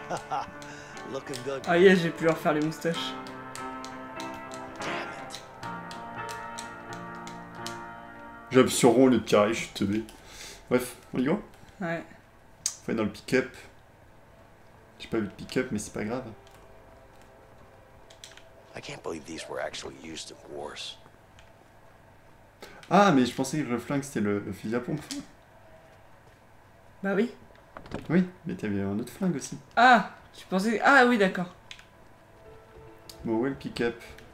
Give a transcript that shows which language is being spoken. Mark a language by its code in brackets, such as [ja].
[fr] Ah yeah, j'ai pu leur faire les moustaches. J'appuie sur rond au lieu de carré, je suis teubé. Bref, on y va ? Ouais. Faut aller dans le pick-up. J'ai pas vu de pick-up, mais c'est pas grave. [en] I can't believe these were actually used in wars. [fr] Ah, mais je pensais que le flingue c'était le fusil à pompe. Bah oui. Oui, mais t'avais un autre flingue aussi. Ah, je pensais... Ah oui, d'accord. Bon, où est le pick-up ?